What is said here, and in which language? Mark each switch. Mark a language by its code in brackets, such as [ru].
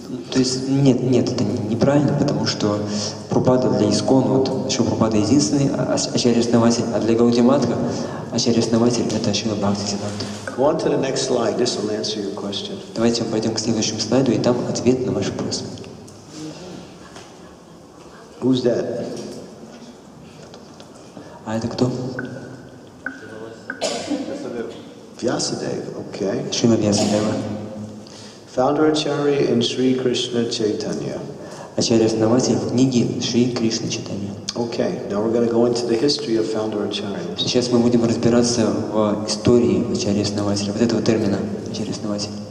[ru] То есть нет, это неправильно, потому что Прабхупада для ИСКОН, вот Шрила Прабхупада единственный ачарья-основатель, а для Гаудия Матха ачарья-основатель это Шрила Бхакти Сиддханта. [en] Go on to the next slide, this will answer your question. [ru] Давайте мы пойдем к следующему слайду, и там ответ на ваш вопрос. [en] Who's that? [ru] А это кто? [en] Vyasadeva, okay. [ru] Шрила Вьясадева. [en] Founder Acharya in Sri Krishna Chaitanya. [ru] Acharya основатель в книге Шри Кришна Чайтанья. [en] Okay, now we're going to go into the history of Founder Acharya. [ru] Сейчас мы будем разбираться в истории Acharya основателя, вот этого термина Acharya основатель.